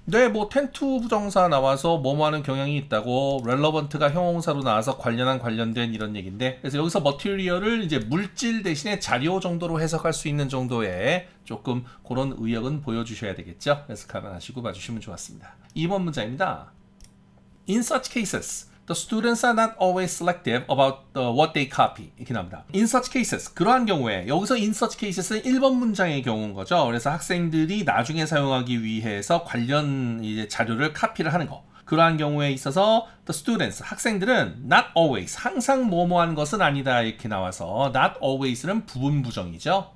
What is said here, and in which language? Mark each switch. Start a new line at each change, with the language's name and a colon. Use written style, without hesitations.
Korean: 네, 뭐 tend to 부정사 나와서 뭐뭐 하는 경향이 있다고, relevant가 형용사로 나와서 관련된 이런 얘기인데, 그래서 여기서 material을 이제 물질 대신에 자료 정도로 해석할 수 있는 정도의 조금 그런 의역은 보여주셔야 되겠죠. 해석 가능하시고 봐주시면 좋았습니다. 2번 문장입니다.
English: In such cases, the students are not always selective about what they copy.
Korean: 이렇게 나옵니다.
English: In such cases,
Korean: 그러한 경우에, 여기서 in such cases는 1번 문장의 경우인 거죠. 그래서 학생들이 나중에 사용하기 위해서 관련 이제 자료를 카피를 하는 거. 그러한 경우에 있어서 the students, 학생들은 not always, 항상 뭐뭐한 것은 아니다. 이렇게 나와서 not always는 부분 부정이죠.